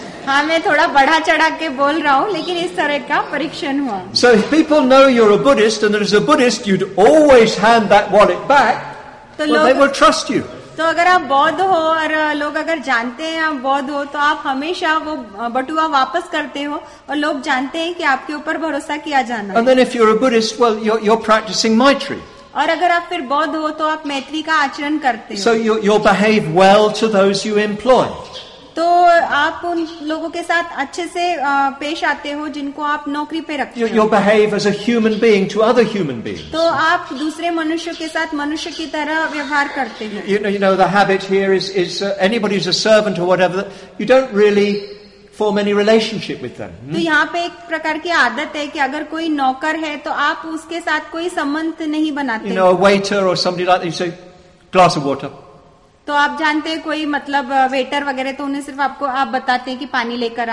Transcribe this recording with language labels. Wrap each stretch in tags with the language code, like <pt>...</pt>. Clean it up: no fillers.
<hi>हाँ मैं थोड़ा बढ़ा चढ़ा के बोल रहा हूँ लेकिन इस तरह का परीक्षण हुआ.</hi> <en>So if people know you're a Buddhist and there is a Buddhist, you'd always hand that wallet back.</en> <hi>तो</hi> <en>well, they will trust you.</en> <hi>तो अगर आप बौद्ध हो और लोग अगर जानते हैं आप बौद्ध हो तो आप हमेशा वो बटुआ वापस करते हो और लोग जानते हैं कि आपके ऊपर भरोसा किया जाना.</hi> <en>And then if you're a Buddhist, well, you're practicing Maitri.</en> <hi>और अगर आप फिर बौद्ध हो तो आप मैत्री का आचरण करते हो.</hi> <en>So you behave well to those you employ.</en> <hi>तो आप उन लोगों के साथ अच्छे से पेश आते हो जिनको आप नौकरी पे रखते हो.</hi> <en>You behave as a human being to other human beings.</en> <hi>तो आप दूसरे मनुष्यों के साथ मनुष्य की तरह व्यवहार करते हो.</hi> <en>You know the habit here is anybody who's a servant or whatever, you don't really form any relationship with them.</en> <hi>तो यहाँ पे एक प्रकार की आदत है कि अगर कोई नौकर है तो आप उसके साथ कोई संबंध नहीं बनाते.</hi> <en>You know, a waiter or somebody like that, you say, glass of water.</en> <hi>तो आप जानते हैं कोई मतलब वेटर वगैरह तो उन्हें सिर्फ आपको आप बताते हैं कि पानी लेकर</hi>